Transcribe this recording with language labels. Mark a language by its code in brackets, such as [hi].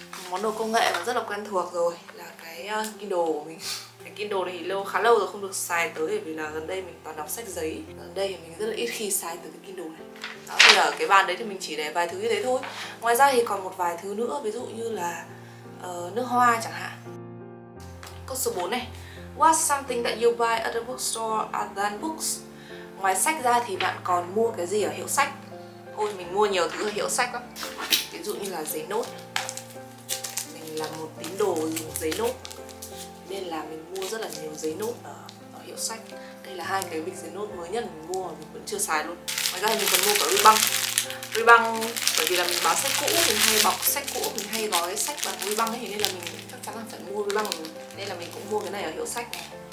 [vi] Món đồ công nghệ mà rất là quen thuộc rồi là cái Kindle của mình. Cái Kindle thì lâu khá lâu rồi không được xài tới vì là gần đây mình toàn đọc sách giấy. Gần đây thì mình rất là ít khi xài từ cái Kindle này. Đó thì ở cái bàn đấy thì mình chỉ để vài thứ như thế thôi. Ngoài ra thì còn một vài thứ nữa, ví dụ như là nước hoa chẳng hạn. Câu số 4 này. [en] What's something that you buy at a bookstore other than books? [vi] Ngoài sách ra thì bạn còn mua cái gì ở hiệu sách? Ôi mình mua nhiều thứ ở hiệu sách lắm. Ví dụ như là giấy nốt. Mình là một tín đồ dùng giấy nốt nên là mình mua rất là nhiều giấy nốt ở hiệu sách. Đây là hai cái bịch giấy nốt mới nhất mình mua mà mình vẫn chưa xài luôn. Ngoài ra mình còn mua cả ruy băng bởi vì là mình bán sách cũ, mình hay bọc sách cũ, mình hay gói sách bằng ruy băng ấy, nên là mình chắc chắn là phải mua ruy băng nên là mình cũng mua cái này ở hiệu sách này.